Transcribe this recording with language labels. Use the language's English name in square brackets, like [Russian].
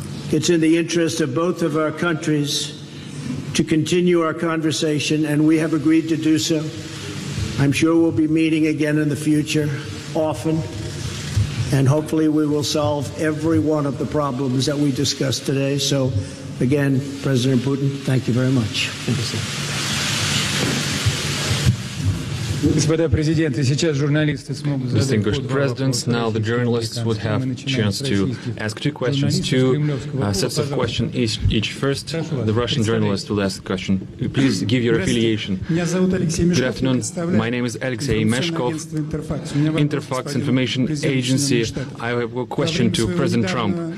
[English] It's in the interest of both of our countries to continue our conversation, and we have agreed to do so. I'm sure we'll be meeting again in the future, often, and hopefully we will solve every one of the problems that we discussed today. So, again, President Putin, thank you very much. Thank you, sir. [Russian] Господа президент, сейчас журналисты смогут задать. [English] Distinguished presidents, now the journalists would have a chance to ask two questions, two sets of questions each. First, the Russian journalist will ask the question. Please give your affiliation. Good afternoon. My name is Алексей Мешков, Interfax Information Agency. I have a question to President Trump.